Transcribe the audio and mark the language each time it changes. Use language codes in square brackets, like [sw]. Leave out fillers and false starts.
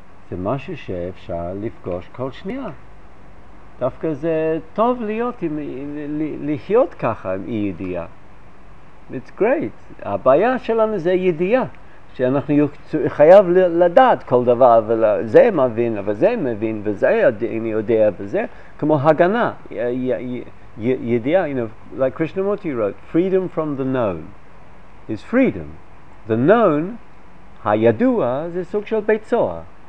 [he] זה משהו שאפשר לפגוש כל שנייה. דווקא זה טוב להיות עם, להיות ככה עם אי ידיעה. [en] It's great. [he] הבעיה שלנו זה ידיעה, שאנחנו חייב לדעת כל דבר, וזה מבין, וזה מבין, וזה אני יודע, וזה כמו הגנה. [en] ידיעה, you know, like Krishnamurti wrote, freedom from the known is freedom. The known, [he] הידוע, זה סוג של בית סוהר.